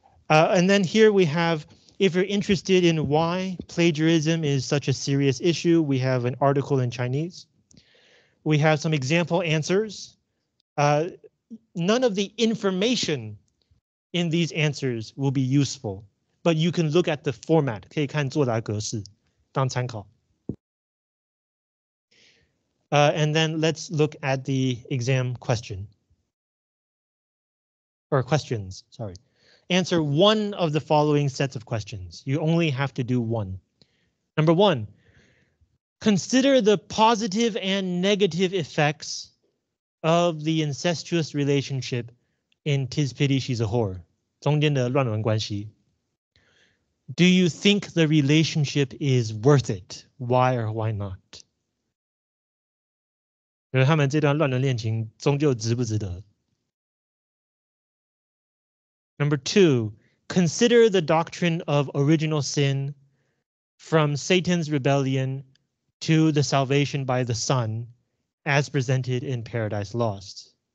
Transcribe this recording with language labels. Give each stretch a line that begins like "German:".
English: And then here we have, if you're interested in why plagiarism is such a serious issue, we have an article in Chinese. We have some example answers. None of the information in these answers will be useful, but you can look at the format.
Chinese: 可以看作答格式, 当参考.
English: And then let's look at the exam question. Or questions, sorry. Answer one of the following sets of questions. You only have to do one. Number one, consider the positive and negative effects of the incestuous relationship in Tis Pity She's a Whore.
Chinese: 中间的乱伦关系.
English: Do you think the relationship is worth it? Why or why not?
Chinese: 他们这段乱伦恋情终究值不值得?
English: Number two, consider the doctrine of original sin from Satan's rebellion to the salvation by the Son as presented in Paradise Lost.